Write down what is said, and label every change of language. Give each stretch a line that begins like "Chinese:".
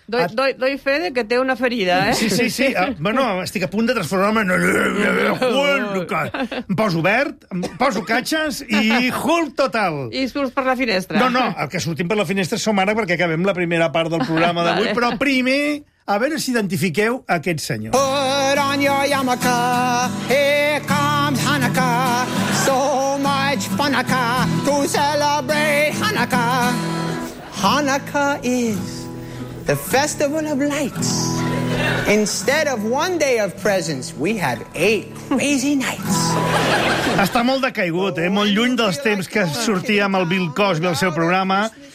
Spanish: Doy fe de que
Catalan: té una ferida, Sí. Bueno, estic a punt de transformar-me en... Em poso verd, em poso catxes i Hulk total. I surts per la finestra. No, el que sortim per la finestra som ara perquè acabem la primera part del programa d'avui, vale. Però primer, a veure si identifiqueu aquest senyor.
English: Put on your yarmulke, here comes Hanukkah, so much Hanukkah to celebrate Hanukkah. Hanukkah is the festival of lights. Instead of one day of presents, we have 8 crazy nights.
Catalan: Està molt decaigut, molt lluny dels temps que sortia amb el Bill Cosby al seu programa.